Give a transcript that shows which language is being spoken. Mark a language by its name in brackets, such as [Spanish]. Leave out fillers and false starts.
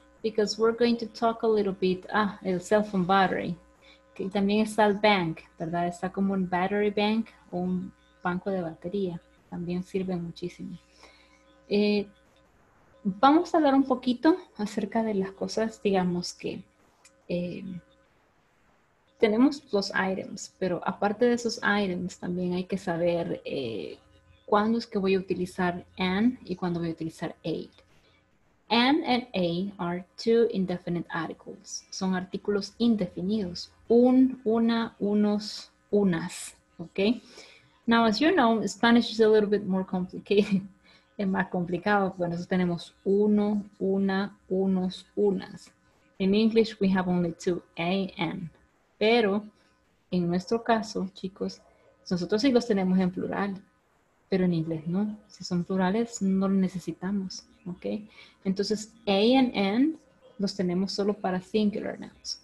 [English] Because we're going to talk a little bit, el cell phone battery. [Spanish] Que también está el bank, ¿verdad? Está como un battery bank o un banco de batería. También sirve muchísimo. Vamos a hablar un poquito acerca de las cosas, digamos que tenemos los items, pero aparte de esos items también hay que saber cuándo es que voy a utilizar an y cuándo voy a utilizar a. [English] An and a are two indefinite articles. [Spanish] Son artículos indefinidos. Un, una, unos, unas. Okay? [English] Now, as you know, Spanish is a little bit more complicated. [Spanish] Es más complicado, bueno, entonces tenemos uno, una, unos, unas. [English] In English, we have only two, a, n. [Spanish] Pero, en nuestro caso, chicos, nosotros sí los tenemos en plural, pero en inglés no. Si son plurales, no los necesitamos, ¿ok? Entonces, a y n los tenemos solo para singular nouns.